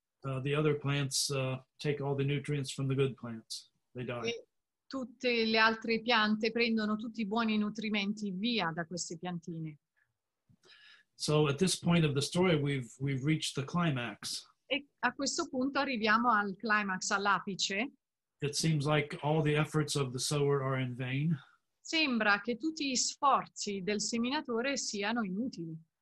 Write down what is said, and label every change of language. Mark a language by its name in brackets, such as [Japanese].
[English] The other plants take all the nutrients from the good plants. They die. [Italian] E tutte le altre piante prendono tutti i buoni nutrimenti via da queste piantine. [English] So at this point of the story we've reached the climax. [Italian] E a questo punto arriviamo al climax, all'apice. [English] It seems like all the efforts of the sower are in vain. [Italian] Sembra che tutti gli sforzi del seminatore siano inutili.